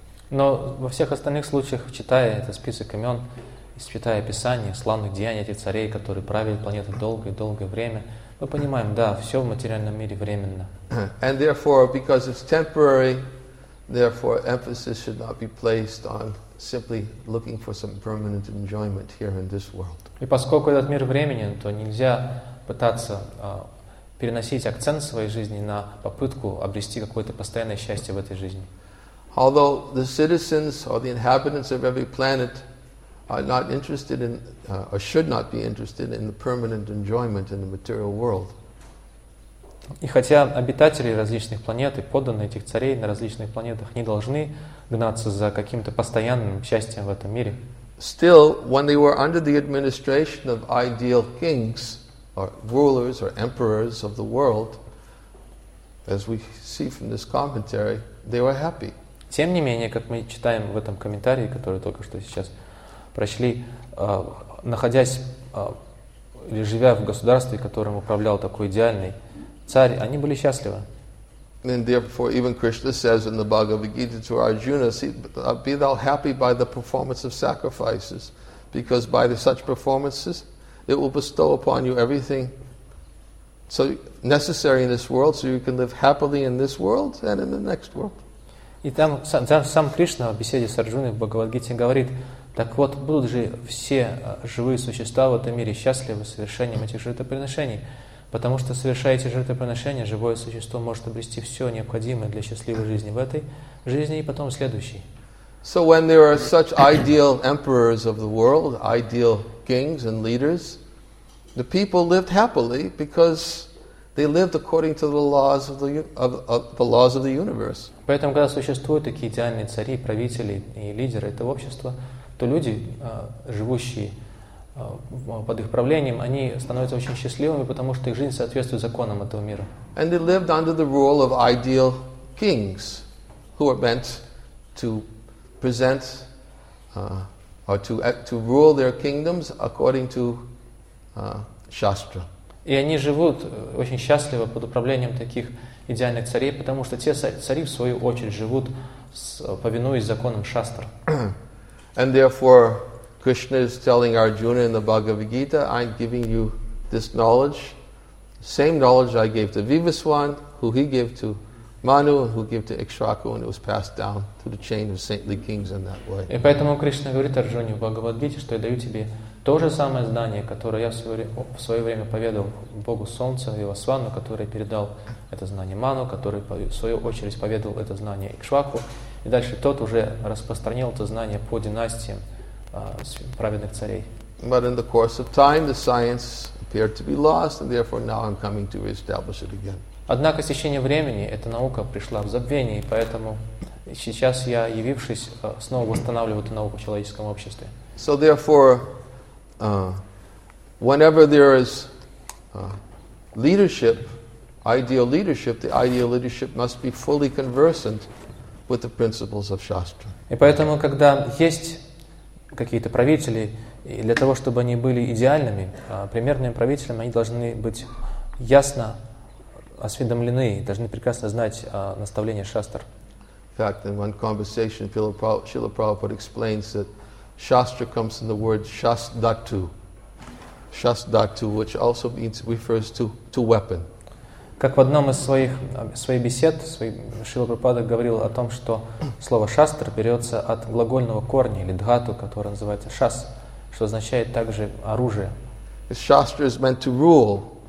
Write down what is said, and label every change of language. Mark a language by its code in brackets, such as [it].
[ru] Но во всех остальных случаях, читая этот список имен, читая описание славных деяний этих царей, которые правили планетой долгое-долгое время, мы понимаем, да, все в материальном мире временно. [en] And therefore, because it's temporary, therefore emphasis should not be placed on simply looking for some permanent enjoyment here in this world. [ru] И поскольку этот мир временен, то нельзя пытаться переносить акцент своей жизни на попытку обрести какое-то постоянное счастье в этой жизни. [en] Although the citizens or the inhabitants of every planet are not interested in, or should not be interested in the permanent enjoyment in the material world. [ru] И хотя обитатели различных планет и подданные этих царей на различных планетах не должны гнаться за каким-то постоянным счастьем в этом мире. [en] Still, when they were under the administration of ideal kings, or rulers, or emperors of the world, as we see from this commentary, they were happy. [ru] Тем не менее, как мы читаем в этом комментарии, который только что сейчас прошли, находясь или живя в государстве, которым управлял такой идеальный царь, они были счастливы. [en] And therefore, even Krishna says in the Bhagavad Gita to Arjuna, be thou happy by the performance of sacrifices, because by the such performances, it will bestow upon you everything so necessary in this world, so you can live happily in this world and in the next world. [ru] И там сам Кришна в беседе с Арджуной в Бхагавад-гите говорит, так вот, будут же все живые существа в этом мире счастливы совершением этих жертвоприношений, потому что, совершая эти жертвоприношения, живое существо может обрести все необходимое для счастливой жизни в этой жизни и потом в следующей. [en] So when there are such ideal emperors of the world, ideal kings and leaders, the people lived happily because they lived according to the laws of the universe. [ru] Поэтому, когда существуют такие идеальные цари, правители и лидеры этого общества, то люди, живущие под их правлением, они становятся очень счастливыми, потому что их жизнь соответствует законам этого мира. [en] And they lived under the rule of ideal kings, who are meant to present or to rule their kingdoms according to Shastra. [ru] И они живут очень счастливо под управлением таких идеальных царей, потому что те цари, в свою очередь, живут, повинуясь законам Шастр. [en] And therefore, Krishna is telling Arjuna in the Bhagavad Gita, I'm giving you this knowledge, same knowledge I gave to Vivaswan, who he gave to Manu, and who gave to Ikshvaku, and it was passed down through the chain of saintly kings in that way. [ru] И поэтому Кришна говорит Арджуне в Бхагавад-гите, что я даю тебе то же самое знание, которое я в свое время поведал Богу Солнца, Вивасвану, который передал это знание Ману, который в свою очередь поведал это знание Ikshvaku, И дальше тот уже распространил это знание по династиям праведных царей. [en] But in the course of time, the science appeared to be lost, and therefore now I'm coming to reestablish it again. [ru] Однако с течением времени эта наука пришла в забвение, и поэтому сейчас я, явившись, снова восстанавливаю эту науку в человеческом обществе. [en] So therefore, whenever there is leadership, ideal leadership, the ideal leadership must be fully conversant with the principles of Shastra. [ru] И поэтому, когда есть какие-то правители, и для того, чтобы они были идеальными, примерными правителями, они должны быть ясно осведомлены, должны прекрасно знать наставления Шастр. [en] In fact, in one conversation, Srila Prabhupada explains that Shastra comes from the word Shastdhatu. Shastdhatu, which also means, refers to weapon. [ru] Как в одном из своих бесед, Шрила Прабхупада говорил о том, что слово Шастра берется от глагольного корня или дхату, который называется шас, что означает также оружие. [en] Shastra is meant to rule.